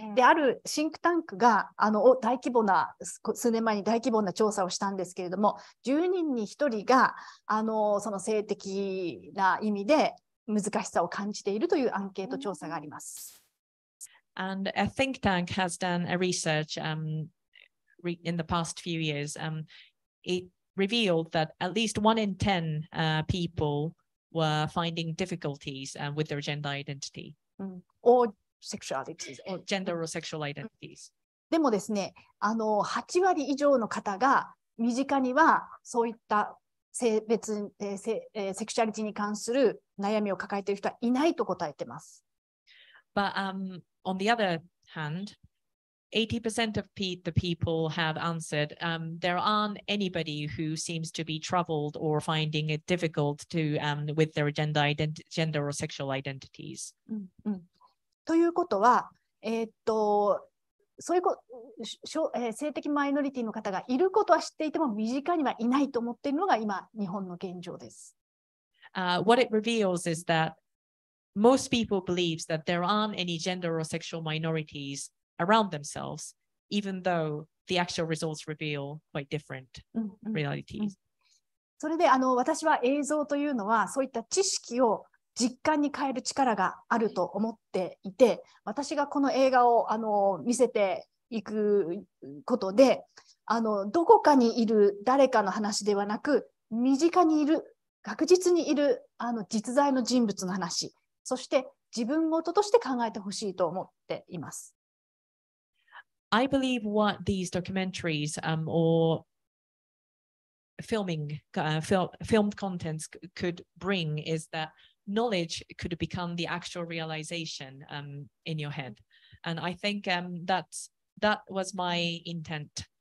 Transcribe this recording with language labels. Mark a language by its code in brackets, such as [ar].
[ja] で、あるシンクタンクが大規模な、数年前に大規模な調査をしたんですけれども、10人に1人がその性的な意味で難しさを感じているというアンケート調査があります。 [en] And a think tank has done a research in the past few years. It revealed that at least 1 in 10 people were finding difficulties with their gender identity. Or sexualities. Or gender or sexual identities. [ja] でもですね、あの8割以上の方が身近にはそういった性別、セクシュアリティに関する悩みを抱えている人はいないと答えてます。 [en] But, on the other hand, 80% of the people have answered, there aren't anybody who seems to be troubled or finding it difficult to, with their gender or sexual identities. [ja] ということは、そういうこ、性的マイノリティの方がいることは知っていても身近にはいないと思っているのが今日本の現状です。 [en] What it reveals is that most people believe that there aren't any gender or sexual minorities around themselves, even though the actual results reveal quite different realities. [ja] それであの私は映像というのはそういった知識を実感に変える力があると思っていて、私がこの映画をあの見せていくことで、あのどこかにいる誰かの話ではなく、身近にいる、確実にいるあの実在の人物の話、そして自分事として考えてほしいと思っています。 [en] I believe what these documentaries, or filming, filmed contents could bring is thatKnowledge could become the actual realization, in your head. And I think, that was my intent.